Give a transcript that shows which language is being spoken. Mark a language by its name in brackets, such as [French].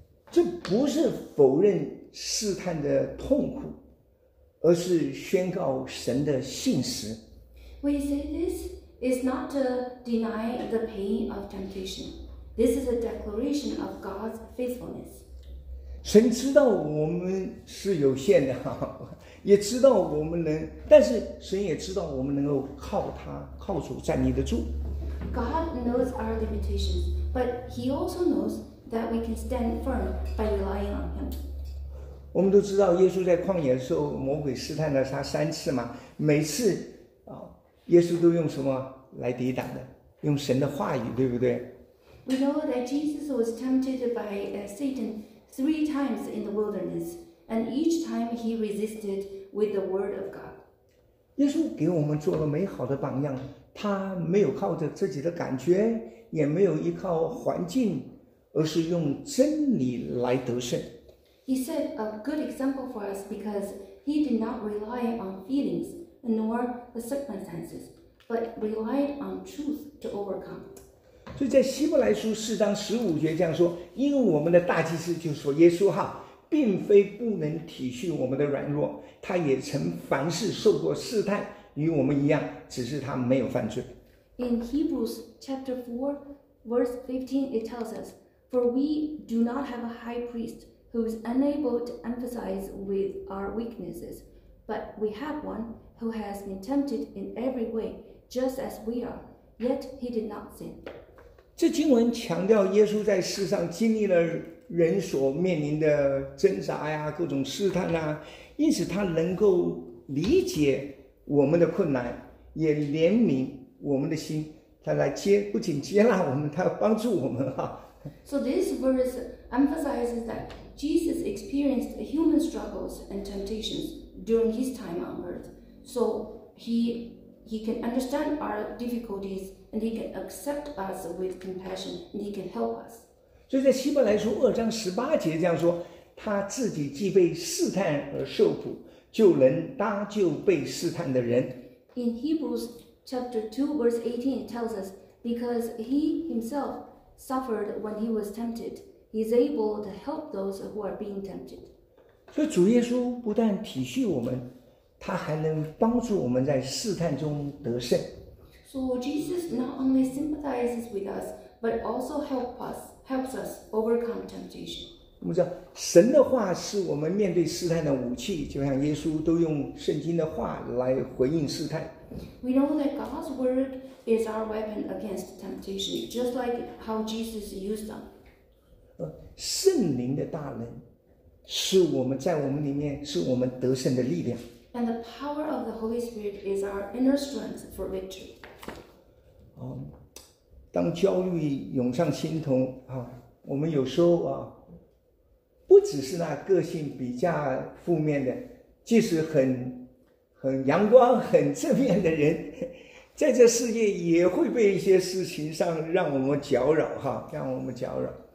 [Chinese] 这不是否认试探的痛苦，而是宣告神的信实。 [English] We say this is not to deny the pain of temptation. This is a declaration of God's faithfulness. [Chinese] 神知道我们是有限的，也知道我们能，但是神也知道我们能够靠他，靠主站立得住。 [English] God knows our limitations, but He also knows that we can stand firm by relying on Him. [Chinese] 我们都知道耶稣在旷野的时候，魔鬼试探了他三次嘛，每次耶稣都用什么来抵挡的？用神的话语，对不对 [English] ？We know that Jesus was tempted by Satan. Three times in the wilderness, and each time he resisted with the word of God. [Chinese] 耶稣给我们做了美好的榜样，他没有靠着自己的感觉，也没有依靠环境，而是用真理来得胜。 [English] He set a good example for us because he did not rely on feelings nor the circumstances, but relied on truth to overcome. [Chinese] 所以在希伯来书四章十五节这样说，因为我们的大祭司就是说耶稣哈，并非不能体恤我们的软弱，他也曾凡事受过试探，与我们一样，只是他没有犯罪。 [English] In Hebrews chapter 4, verse 15, it tells us, For we do not have a high priest who is unable to empathize with our weaknesses, but we have one who has been tempted in every way, just as we are, yet he did not sin. [Chinese] 这经文强调耶稣在世上经历了人所面临的挣扎呀，各种试探啊，因此他能够理解我们的困难，也怜悯我们的心，他来接，不仅接纳我们，他要帮助我们啊。 [English] So this verse emphasizes that Jesus experienced human struggles and temptations during his time on earth. So he can understand our difficulties. And he can accept us with compassion. And he can help us. [Chinese] 所以在希伯来书二章十八节这样说，他自己既被试探而受苦，就能搭救被试探的人。 [English] In Hebrews chapter 2 verse 18, it tells us, because he himself suffered when he was tempted, he is able to help those who are being tempted. [Chinese] 所以主耶稣不但体恤我们，他还能帮助我们在试探中得胜。 [English] So Jesus not only sympathizes with us, but also helps us overcome temptation. [Chinese] 我们知道神的话是我们面对试探的武器，就像耶稣都用圣经的话来回应试探。 [English] We know that God's word is our weapon against temptation, just like how Jesus used them. [Chinese] 圣灵的大能是我们在我们里面是我们得胜的力量。 [English] And the power of the Holy Spirit is our inner strength for victory. [Chinese] 当焦虑涌上心头啊，我们有时候啊，不只是那个性比较负面的，即使很阳光、很正面的人，在这世界也会被一些事情上让我们搅扰哈、啊，让我们搅扰。